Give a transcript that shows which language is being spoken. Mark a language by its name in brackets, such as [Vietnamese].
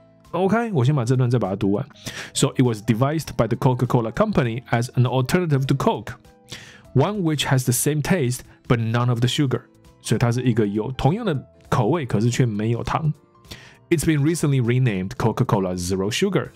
[Chinese] OK， 我先把这段再把它读完。 [English] So it was devised by the Coca-Cola Company as an alternative to Coke, one which has the same taste but none of the sugar. [Chinese] 所以它是一个有同样的口味可是却没有糖。 [English] It's been recently renamed Coca-Cola Zero Sugar.